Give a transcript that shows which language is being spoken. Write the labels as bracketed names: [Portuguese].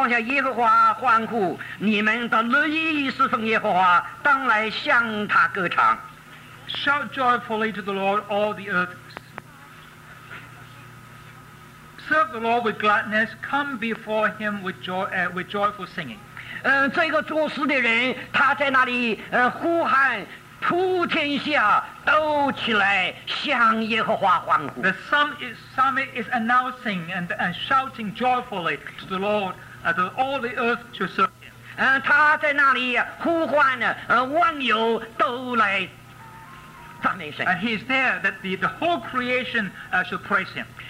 [Chinese] 他说普天下当向耶和华欢呼, 你们的乐意侍奉耶和华, 当来向他歌唱, [English] shout joyfully to the Lord, all the earth. Serve the Lord with gladness. Come before him with joy, with joyful singing. [Chinese] 这个作诗的人他在那里呼喊普天下都起来向耶和华欢呼。 [English] The psalmist is announcing and shouting joyfully to the Lord that all the earth to serve him. [Chinese] 他在那里呼唤万有都来 [English] And he is there that the whole creation should praise him.